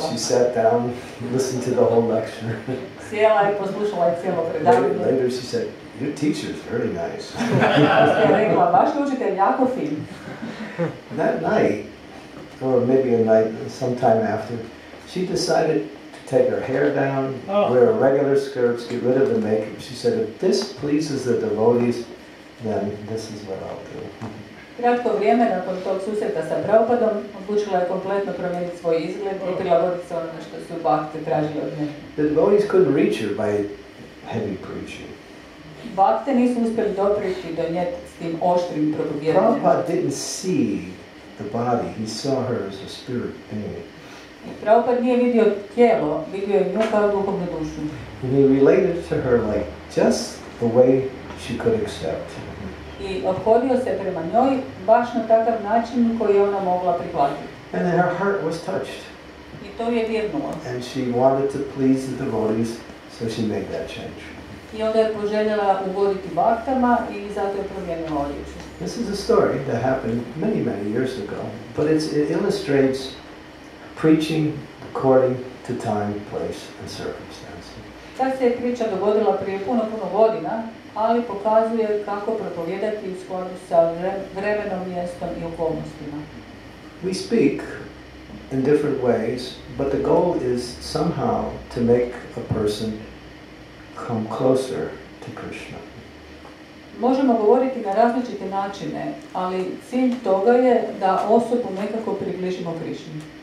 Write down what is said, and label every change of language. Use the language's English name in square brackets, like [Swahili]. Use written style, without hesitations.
[English] She sat down, listened to the whole lecture. [Croatian] Sjela i poslušala je cijelo predavanje. [English] Later she said, your teacher is very nice. [Croatian] Je rekla, vaš učitelj jako fin. [English] That night, or maybe a night, sometime after, she decided take her hair down, wear regular skirts, get rid of the makeup. She said, if this pleases the devotees, then this is what I'll do. [Croatian] Kratko vrijeme nakon tog susreta sa Prabhupadom, odlučila je kompletno promijeniti svoj izgled i prilagoditi se onome što su bhakte tražili od nje. [English] The devotees couldn't reach her by heavy preaching. [Croatian] Bhakte nisu uspjeli doprijeti do nje s tim oštrim propovjedanjem. [English] Prabhupada didn't see the body, he saw her as a spirit being. [Croatian] Prabhupada nije vidio tijelo, vidio je nju kao duhovnu dušu. [English] He related to her like just the way she could accept. [Croatian] I ophodio se prema njoj baš na takav način koji je ona mogla prihvatiti. [English] And then her heart was touched. [Croatian] I to je dirnulo. [English] And she wanted to please the devotees, so she made that change. [Croatian] I onda je poželjela ugoditi bhaktama i zato je promijenila odjeću. [English] This is a story that happened many, many years ago, but it illustrates preaching according to time, place, and circumstance. [Croatian] Ta se priča dogodila prije puno, puno godina, ali pokazuje kako propovijedati u skladu sa vremenom, mjestom i okolnostima. [English] We speak in different ways, but the goal is somehow to make a person come closer to Krishna. [Croatian] Možemo govoriti na različite načine, ali cilj toga je da osobu nekako približimo Krishni.